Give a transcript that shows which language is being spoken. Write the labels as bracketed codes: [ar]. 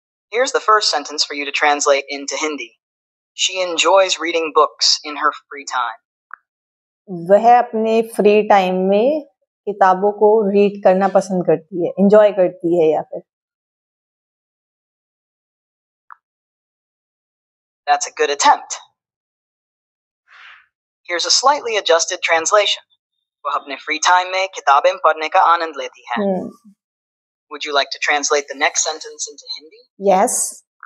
[en] Here's the first sentence for you to translate into Hindi. She enjoys reading books in her free time. [hi] वह अपने free time में किताबों को read करना पसंद करती है, enjoy करती है या फिर. [en] That's a good attempt. Here's a slightly adjusted translation. [hi] वह अपने free time में किताबें पढ़ने का आनंद लेती है. [en] Would you like to translate the next sentence into Hindi? Yes.